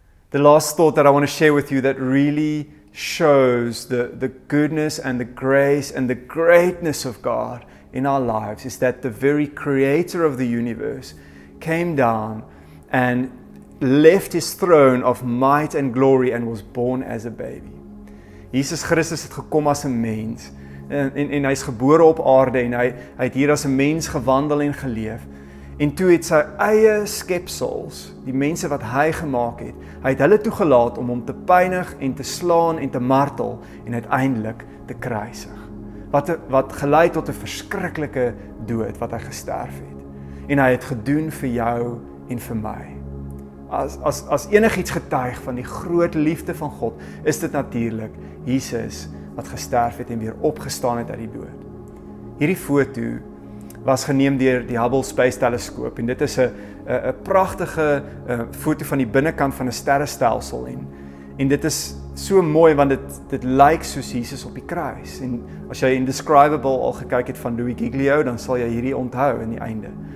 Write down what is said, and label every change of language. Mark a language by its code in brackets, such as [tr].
[en] The last thought that I want to share with you that really shows the goodness and the grace and the greatness of God in our lives is that the very creator of the universe came down and left his throne of might and glory and was born as a baby. [af] Jesus Christus het gekom as 'n mens en hy is gebore op aarde en hy het hier as 'n mens gewandel en geleef En toe het sy eie skepsels, die mense wat hy gemaak het, hy het hulle toegelaat om hom te pynig en te slaan en te martel en uiteindelik te kruisig. Wat gelei tot 'n verskriklike dood wat hy gesterf het. En hy het gedoen vir jou en vir my. As enigiets getuig van die groot liefde van God, is dit natuurlik Jesus wat gesterf het en weer opgestaan het uit die dood. Hierdie foto was geneem deur die Hubble Space Teleskoop en dit is 'n pragtige foto van die binnenkant van 'n sterrestelsel en dit is so mooi want dit lyk soos Jesus op die kruis en as jy Indescribable al gekyk het van Louis Giglio, dan sal jy hierdie onthou in die einde.